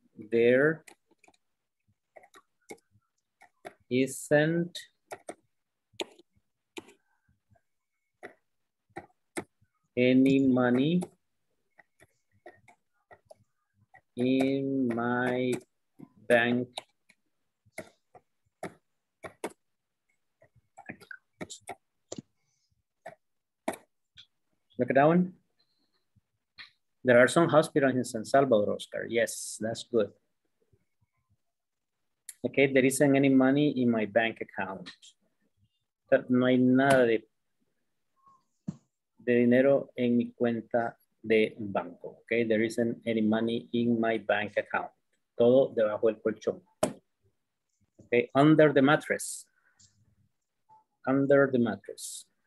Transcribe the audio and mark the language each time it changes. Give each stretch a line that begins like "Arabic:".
English: There isn't any money in my bank account. Look at that one. There are some hospitals in San Salvador, Oscar. Yes, that's good. Okay, there isn't any money in my bank account.
Spanish: No hay nada de dinero en mi cuenta de banco, okay?
English: There isn't any money in my bank account.
Spanish: Todo debajo del colchón. Okay,
English: under the mattress. Under the mattress.